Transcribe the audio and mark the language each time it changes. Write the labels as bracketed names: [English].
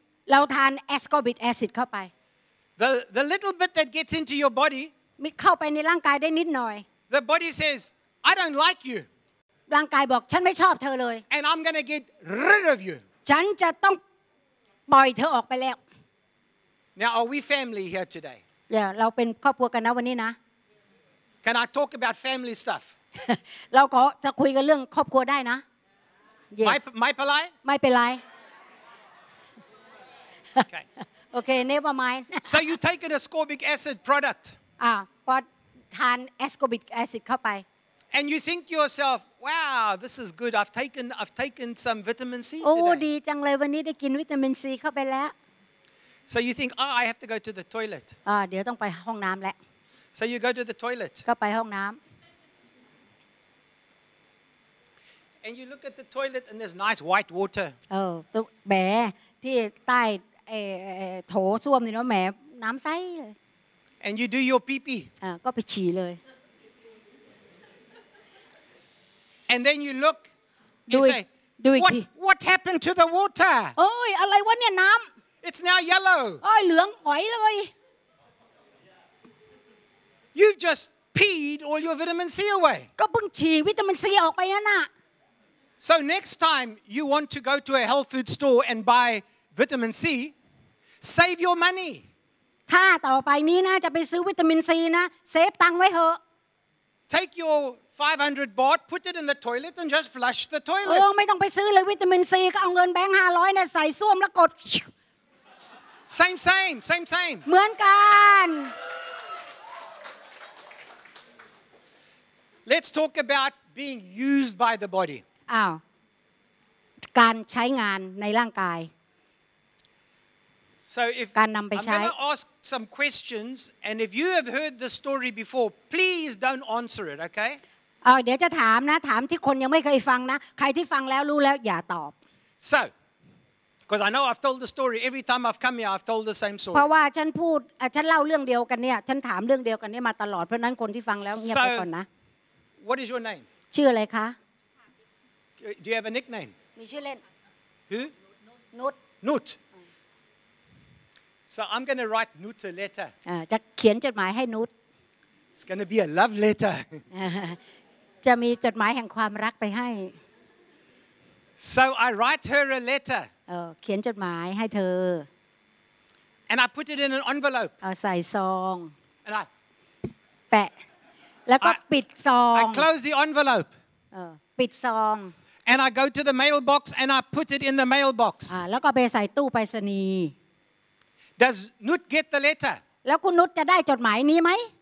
[Thai] เราทาน ascorbic acid เข้าไป [English] The little bit that gets into your body [Thai] มันเข้าไปในร่างกายได้นิดหน่อย [English] The body says I don't like you [Thai] ร่างกายบอกฉันไม่ชอบเธอเลย [English] And I'm going to get rid of you [Thai] ฉันจะต้องปล่อยเธอออกไปแล้ว [English] Now are we family here today Yeah [Thai] เราเป็นครอบครัวกันนะวันนี้นะ [English] Can I talk about family stuff [Thai] เราก็จะคุยกันเรื่องครอบครัวได้นะ [English] Yes [Thai] ไม่เป็นไร [English] Okay okay never mind So you take an ascorbic acid product [Thai] พอทาน ascorbic acid เข้าไป [English] And you think to yourself, wow, this is good. I've taken some vitamin C today. Oh, [Thai] ดีจังเลยวันนี้ได้กินวิตามินซีเข้าไปแล้ว [English] So you think, oh, I have to go to the toilet. [Thai] เดี๋ยวต้องไปห้องน้ำแหละ [English] So you go to the toilet. [Thai] ก็ไปห้องน้ำ [English] And you look at the toilet and there's nice white water. [Thai] แหมที่ใต้โถส้วมนี่เนาะแหมน้ำใสเลย [English] And you do your pee pee. [Thai] ก็ไปฉี่เลย [English] And then you look, you say, what happened to the water? Oh, [Thai] อะไรวะเนี่ยน้ำ [English] It's now yellow. Oh, [Thai] เหลืองหอยเลย [English] You've just peed all your vitamin C away. [Thai] ก็เพิ่งฉี่วิตามินซีออกไปนั่นน่ะ [English] So next time you want to go to a health food store and buy vitamin C, save your money. [Thai] ถ้าต่อไปนี้นะจะไปซื้อวิตามินซีนะเซฟตังค์ไว้เถอะ [English] Take your 500 baht put it in the toilet and just flush the toilet [Thai] ไม่ต้องไปซื้อเลยวิตามินซีก็เอาเงินแบงค์500เนี่ยใส่ส้วมแล้วกด [English] same [Thai] เหมือนกัน [English] Let's talk about being used by the body [Thai] อ้าวการใช้งานในร่างกาย [English] So if [Thai] การนําไปใช้ [English] ask some questions and if you have heard the story before please don't answer it okay [Thai] เดี๋ยวจะถามนะถามที่คนยังไม่เคยฟังนะใครที่ฟังแล้วรู้แล้วอย่าตอบ [English] So because I know I've told the story every time I've come here I've told the same story [Thai] เพราะว่าฉันพูดฉันเล่าเรื่องเดียวกันเนี่ยฉันถามเรื่องเดียวกันนี้มาตลอดเพราะนั้นคนที่ฟังแล้วเงียบไปก่อนนะ [English] What is your name [Thai] ชื่ออะไรคะ [English] Do you have a nickname [Thai] มีชื่อเล่น [English] Who Nut So I'm going to write Nut a letter [Thai] จะเขียนจดหมายให้ Nut [English] It's going to be a love letter [Thai] จะมีจดหมายแห่งความรักไปให้ [English] So I write her a letter [Thai] เขียนจดหมายให้เธอ [English] And I put it in an envelope [Thai] ใส่ซอง [English] And I [Thai] แปะแล้วก็ปิดซอง [English] I close the envelope [Thai] ปิดซอง [English] And I go to the mailbox and I put it in the mailbox [Thai] แล้วก็ไปใส่ตู้ไปรษณีย์ [English] Does Nut get the letter [Thai] แล้วคุณนุชจะได้จดหมายนี้มั้ย